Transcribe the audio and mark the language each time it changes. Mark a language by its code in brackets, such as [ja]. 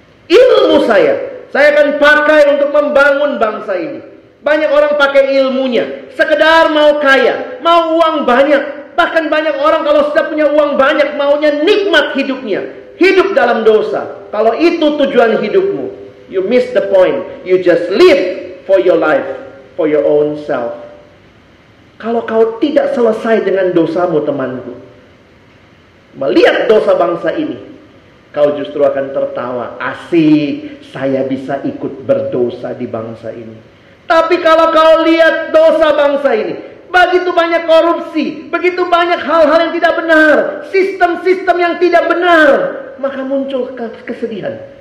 [id] Ilmu saya akan pakai untuk membangun bangsa ini. Banyak orang pakai ilmunya, sekedar mau kaya, mau uang banyak. Bahkan banyak orang kalau sudah punya uang banyak, maunya nikmat hidupnya. Hidup dalam dosa. Kalau itu tujuan hidupmu, [en] you miss the point. You just live for your life, for your own self. [id] Kalau kau tidak selesai dengan dosamu, temanku, melihat dosa bangsa ini, kau justru akan tertawa. Asik, saya bisa ikut berdosa di bangsa ini. Tapi kalau kau lihat dosa bangsa ini, begitu banyak korupsi, begitu banyak hal-hal yang tidak benar, sistem-sistem yang tidak benar, maka muncul kesedihan.